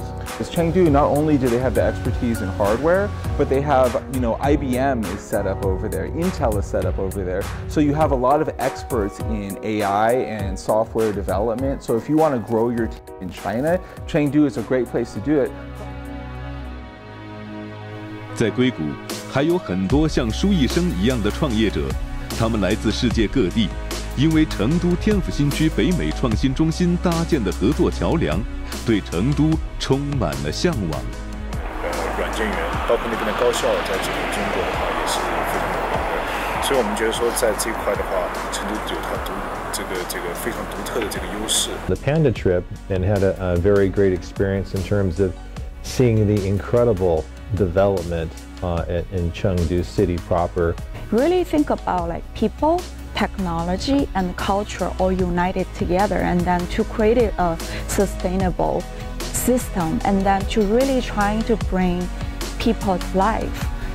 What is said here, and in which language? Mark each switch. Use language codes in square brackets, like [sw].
[en] Because Chengdu, not only do they have the expertise in hardware, but they have, you know, IBM is set up over there, Intel is set up over there. So you have a lot of experts in AI and software development. So if you want to grow your team in China, Chengdu is a great place to do it. [zh] 在硅谷，还有很多像舒医生一样的创业者，他们来自世界各地。因为成都天府新区北美创新中心搭建的合作桥梁，对成都充满了向往。软件园包括那边的高校，在这里中国的话也是非常有发展，所以我们觉得说在这块的话，成都有它独这个非常独特的这个优势。 [en] The Panda Trip and had a very great experience in terms of seeing the incredible development in Chengdu city proper. Really think about like people. Technology and culture all united together, and then to create a sustainable system, and then to really trying to bring people's life.